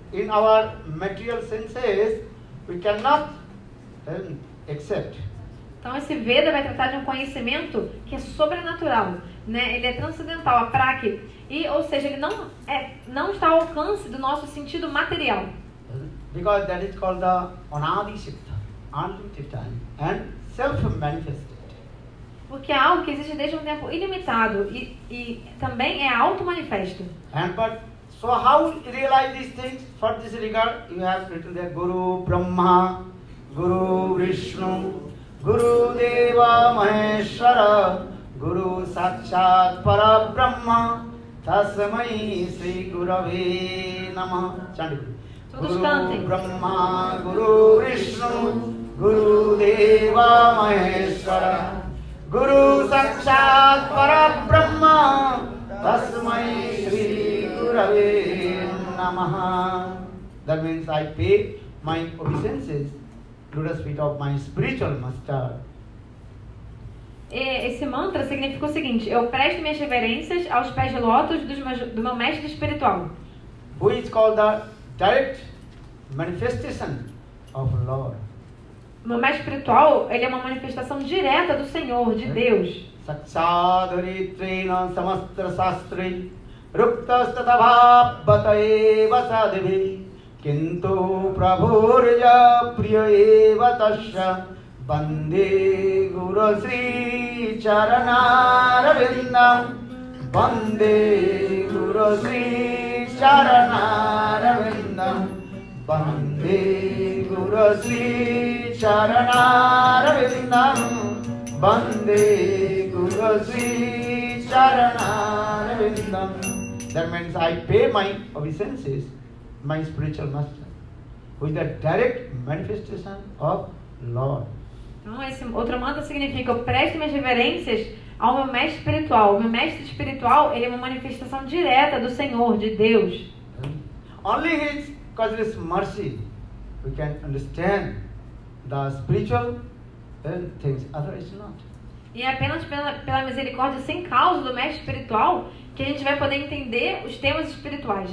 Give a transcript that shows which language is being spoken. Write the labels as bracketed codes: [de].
[en] In our material senses, we cannot accept. [pt] Então, esse Veda vai tratar de um conhecimento que é sobrenatural, né? Ele é transcendental, a praque. E, ou seja, ele não está ao alcance do nosso sentido material. [en] Because that is called the anadi siddha, unlimited time, and self-manifested. [pt] Porque é algo que existe desde um tempo ilimitado e também é auto-manifesto. [en] And but, so how you realize these things? For this regard, you have written there [sa] Guru Brahma, Guru Vishnu, Guru Deva Maheshwara, Guru Satchat Parabrahma, Tasmai Sri Gurave Namah. [en] Chante. [pt] Todos cantem. [sa] Guru Brahma, Guru Vishnu, Guru Deva Maheshwara, Guru Satchat Parabrahma, Tasmai Sri Gurave Namah. [en] That means I pay my obeisances to the feet of my spiritual master. [pt] Esse mantra significa o seguinte: eu presto minhas reverências aos pés de lótus do meu mestre espiritual. [en] Who is called the direct manifestation of Lord. [pt] Meu mestre espiritual, ele é uma manifestação direta do Senhor, de Deus. [sa] Sakshadharitrena samastra sastri ruktastatabhavata eva sadhivi kintu prabhurja priya eva tasya Bande Guru Sri Charanaravinda, Bande Guru Sri Charanaravinda, Bande Guru Sri Charanaravinda, Bande Guru Sri Charanaravinda. [en] That means I pay my obeisances, my spiritual master, who is the direct manifestation of Lord. [pt] Então, esse outro mantra significa: eu presto minhas reverências ao meu mestre espiritual. O meu mestre espiritual, ele é uma manifestação direta do Senhor, de Deus. [en] Only His causeless mercy we can understand the spiritual things, otherwise it's not. [pt] E é apenas pela misericórdia sem causa do mestre espiritual que a gente vai poder entender os temas espirituais.